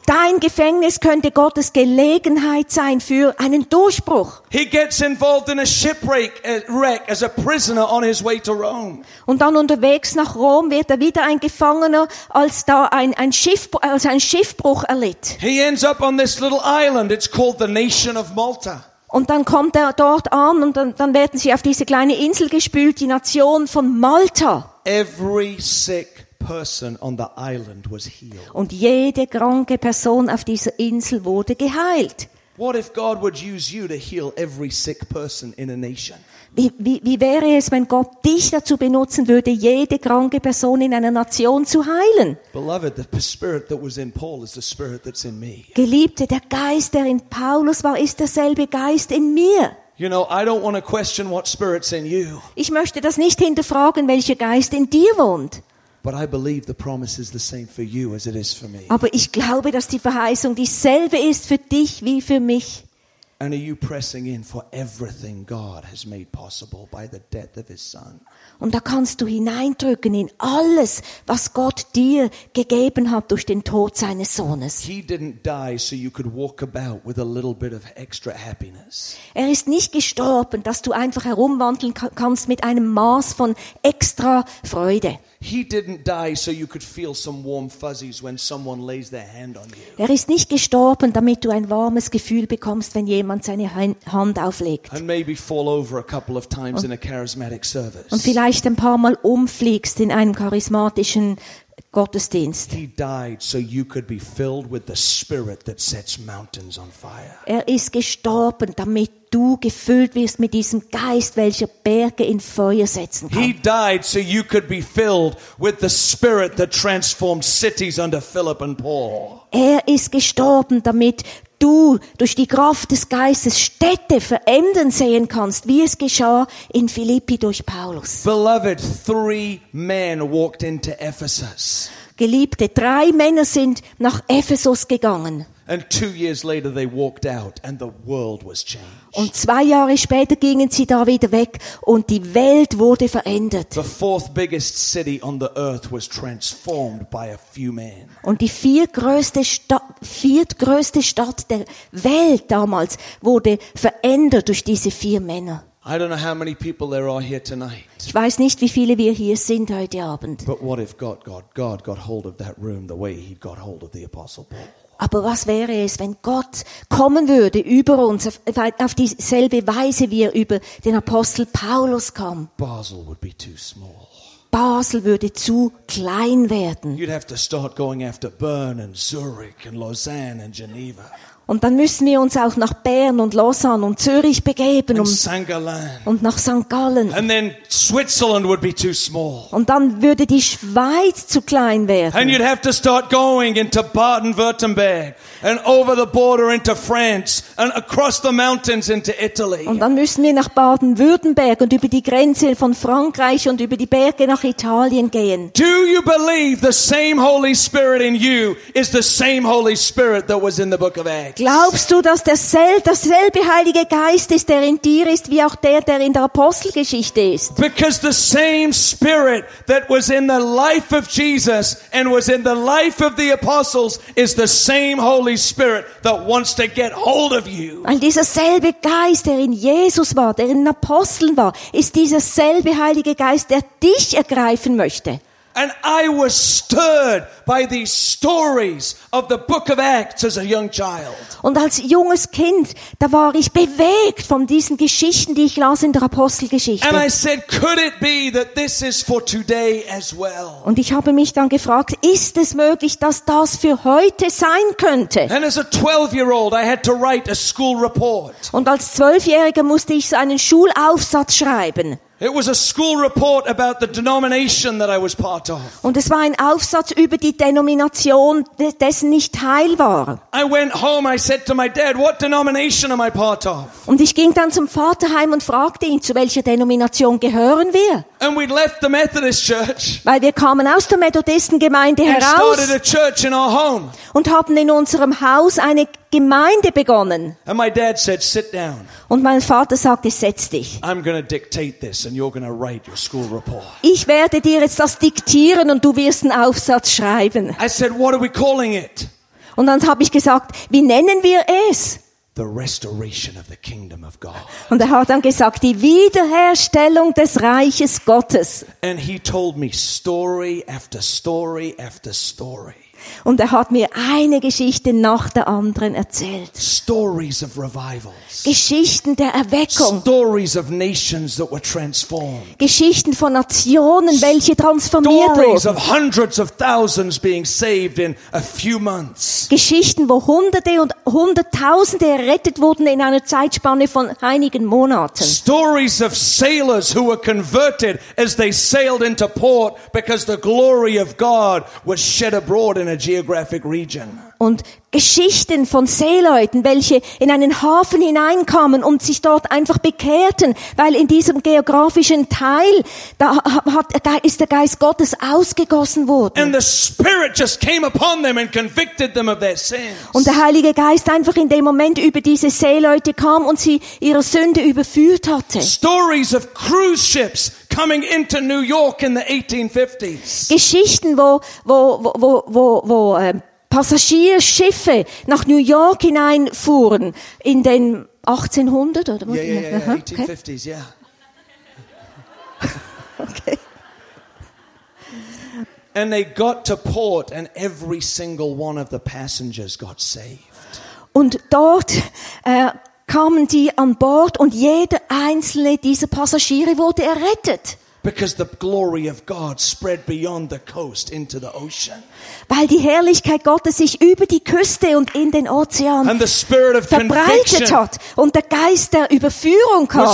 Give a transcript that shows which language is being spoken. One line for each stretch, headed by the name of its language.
German: Dein Gefängnis könnte Gottes Gelegenheit sein für einen Durchbruch.
English: He gets involved in a shipwreck as a prisoner on his way to Rome.
German: Und dann unterwegs nach Rom wird er wieder ein Gefangener, als da ein Schiffbruch erlitt.
English: He ends up on this little island. It's called the Nation of Malta.
German: Und dann kommt er dort an und dann werden sie auf diese kleine Insel gespült, die Nation von Malta.
English: Every sick person on the island was healed.
German: Und jede kranke Person auf dieser Insel wurde geheilt.
English: What if God would use you to heal every sick person in a nation?
German: Wie wäre es, wenn Gott dich dazu benutzen würde, jede kranke Person in einer Nation zu heilen? Geliebte, der Geist, der in Paulus war, ist derselbe Geist in mir.
English: You know, I don't want to question what spirit's in you.
German: Ich möchte das nicht hinterfragen, welcher Geist in dir wohnt.
English: But I believe the promise is the same for you as it is for me.
German: Aber ich glaube, dass die Verheißung dieselbe ist für dich wie für mich.
English: And are you pressing in for everything God has made possible by the death of his son?
German: Und da kannst du hineindrücken in alles, was Gott dir gegeben hat durch den Tod seines Sohnes.
English: He didn't die so you could walk about with a little bit of extra happiness.
German: Er ist nicht gestorben, dass du einfach herumwandeln kannst mit einem Maß von extra Freude.
English: He didn't die so you could feel some warm fuzzies when someone lays their hand on you.
German: Er ist nicht gestorben, damit du ein warmes Gefühl bekommst, wenn jemand seine Hand auflegt.
English: And maybe fall over a couple of times in a charismatic service.
German: Und vielleicht ein paar Mal umfliegst in einem charismatischen Gottesdienst.
English: He died so you could be filled with the Spirit that sets mountains on fire.
German: Er ist gestorben, damit du gefüllt wirst mit diesem Geist, welcher Berge in Feuer setzen kann.
English: He died so you could be filled with the Spirit that transformed cities under Philip and Paul.
German: Er ist gestorben, damit du durch die Kraft des Geistes Städte verändern sehen kannst, wie es geschah in Philippi durch Paulus.
English: Beloved, three men walked into Ephesus.
German: Geliebte, drei Männer sind nach Ephesus gegangen.
English: And 2 years later they walked out and the world was changed.
German: Und 2 Jahre später gingen sie da wieder weg und die Welt wurde verändert.
English: The fourth biggest city on the earth was transformed by a few men.
German: Und die viertgrößte Stadt der Welt damals wurde verändert durch diese 4 Männer.
English: I don't know how many people there are here tonight.
German: Ich weiß nicht, wie viele wir hier sind heute Abend.
English: But what if God got hold of that room the way he got hold of the Apostle Paul?
German: Aber was wäre es, wenn Gott kommen würde über uns auf dieselbe Weise, wie er über den Apostel Paulus kam?
English: Basel would be too small.
German: Basel würde zu klein werden.
English: You'd have to start going after Bern and Zurich and Lausanne and Geneva.
German: Und dann müssen wir uns auch nach Bern und Lausanne und Zürich begeben und nach St. Gallen.
English: And then Switzerland would be too small.
German: Und dann würde die Schweiz zu klein werden.
English: And you'd have to start going into Baden-Württemberg and over the border into France and across the mountains into Italy.
German: Und dann müssen wir nach Baden-Württemberg und über die Grenze von Frankreich und über die Berge nach Italien gehen.
English: Do you believe the same Holy Spirit in you is the same Holy Spirit that was in the book of Acts?
German: Glaubst du, dass derselbe Heilige Geist ist, der in dir ist, wie auch der in der Apostelgeschichte ist?
English: Because the same Spirit that was in the life of Jesus and was in the life of the apostles is the same Holy Spirit that wants to get hold of you.
German: Weil dieser selbe Geist, der in Jesus war, der in den Aposteln war, ist dieser selbe Heilige Geist, der dich ergreifen möchte.
English: And I was stirred by these stories of the book of Acts as a young child.
German: Und als junges Kind, da war ich bewegt von diesen Geschichten, die ich las in der Apostelgeschichte.
English: And I said, could it be that this is for today as well?
German: Und ich habe mich dann gefragt, ist es möglich, dass das für heute sein könnte?
English: And as a 12-year-old, I had to write a school report.
German: Und als 12-Jähriger musste ich einen Schulaufsatz schreiben.
English: It was a school report about the denomination that I was part of.
German: Und es war ein Aufsatz über die Denomination, dessen ich Teil war.
English: I went home, I said to my dad, what denomination am I part of?
German: Und ich ging dann zum Vater heim und fragte ihn, zu welcher Denomination gehören wir?
English: And we'd left the Methodist church.
German: Weil wir kamen aus der Methodistengemeinde heraus.
English: And started a church in our home.
German: Und haben in unserem Haus eine Gemeinde begonnen.
English: And my dad said, sit down.
German: Und mein Vater sagte, setz dich.
English: I'm going to dictate this and you're going to write your school report.
German: Ich werde dir jetzt das diktieren und du wirst einen Aufsatz schreiben.
English: I said, what are we calling it?
German: Und dann habe ich gesagt, wie nennen wir es?
English: The restoration of the kingdom of God.
German: Und er hat dann gesagt, die Wiederherstellung des Reiches Gottes.
English: And he told me story after story after story.
German: Und er hat mir eine Geschichte nach der anderen erzählt.
English: Stories of revivals.
German: Geschichten der Erweckung.
English: Stories of nations that were transformed.
German: Geschichten von Nationen, welche transformiert
English: Stories
German: wurden.
English: Of hundreds of thousands being saved in a few months.
German: Geschichten, wo Hunderte und Hunderttausende errettet wurden in einer Zeitspanne von einigen Monaten.
English: Stories of sailors who were converted as they sailed into port because the glory of God was shed abroad in a geographic region.
German: Und Geschichten von Seeleuten, welche in einen Hafen hineinkamen und sich dort einfach bekehrten, weil in diesem geografischen Teil ist der Geist Gottes ausgegossen worden.
English: And the Spirit just came upon them and convicted them of their sins.
German: Und der Heilige Geist einfach in dem Moment über diese Seeleute kam und sie ihrer Sünde überführt hatte.
English: Stories of cruise ships coming into New York in the 1850s.
German: Geschichten, wo Passagierschiffe nach New York hineinfuhren in den 1800 oder was?
English: Yeah, 1850s, okay. Yeah. Okay. And they got to port and every single one of the passengers got saved.
German: Und dort kamen die an Bord und jeder einzelne dieser Passagiere wurde errettet.
English: Because the glory of God spread beyond the coast into the ocean.
German: Weil die Herrlichkeit Gottes sich über die Küste und in den Ozean verbreitet hat und der Geist der Überführung kam.